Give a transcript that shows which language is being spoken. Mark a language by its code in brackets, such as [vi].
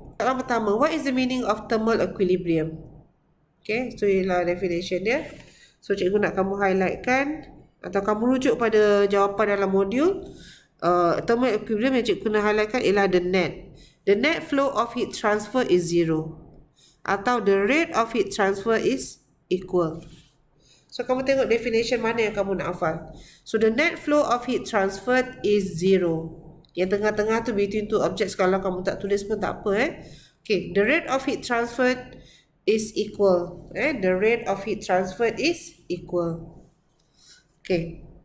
[ms] Soalan pertama, [en] what is the meaning of thermal equilibrium? [ms] Okay, so ialah definition dia. So cikgu nak kamu highlightkan atau kamu rujuk pada jawapan dalam modul. Thermal equilibrium yang cikgu nak highlightkan ialah [en] the net. The net flow of heat transfer is zero. [ms] Atau [en] the rate of heat transfer is equal. [ms] So kamu tengok definition mana yang kamu nak hafal. [en] So the net flow of heat transfer is zero. [ms] Yang tengah-tengah tu [en] between two objects, [ms] kalau kamu tak tulis pun tak apa eh. [en] Okay, the rate of heat transfer is equal. Eh, the rate of heat transfer is equal. Okay.